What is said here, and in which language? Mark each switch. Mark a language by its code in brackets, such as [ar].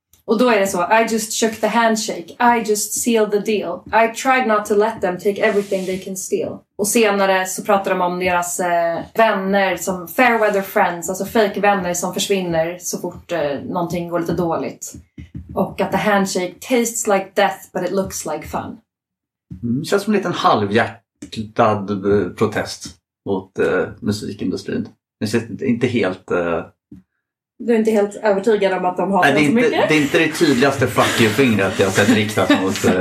[sv] Och då är det så, [en] I just shook the handshake, I just sealed the deal, I tried not to let them take everything they can steal. [sv] Och senare så pratar de om deras vänner som fair weather friends, alltså fake vänner som försvinner så fort någonting går lite dåligt. Och att [en] the handshake tastes like death but it looks like fun. [sv] Det känns som en liten halvhjärtad protest mot musikindustrin. Det känns inte helt... Du är inte helt övertygad om att de har det så mycket. Det är inte det tydligaste fuck you-fingret jag sett riktat mot...